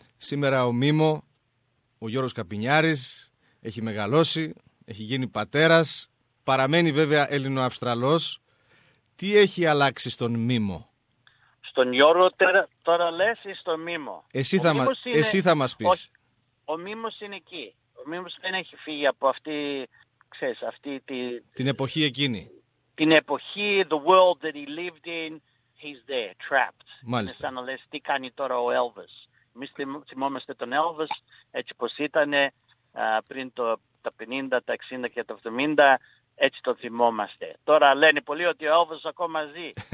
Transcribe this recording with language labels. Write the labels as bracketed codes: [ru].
[el] Σήμερα ο Μίμο, ο Γιώργος Καπινιάρης, έχει μεγαλώσει, έχει γίνει πατέρας, παραμένει βέβαια Ελληνοαυστραλός. Τι έχει αλλάξει στον Μίμο? Στον Γιώργο τώρα λες ή στον Μίμο? Εσύ θα μας πεις. Ο Μίμος είναι εκεί. Ο Μίμος δεν έχει φύγει από αυτή, ξέρεις, αυτή τη... Την εποχή εκείνη. Την εποχή, [en] the world that he lived in, he's there, trapped. [el] Μάλιστα. Είναι σαν να λες τι κάνει τώρα ο Elvis. Εμείς θυμόμαστε τον Elvis έτσι πως ήταν πριν τα 50, τα 60 και τα 70. Έτσι το θυμόμαστε. Τώρα λένε πολλοί ότι ο Elvis ακόμα ζει.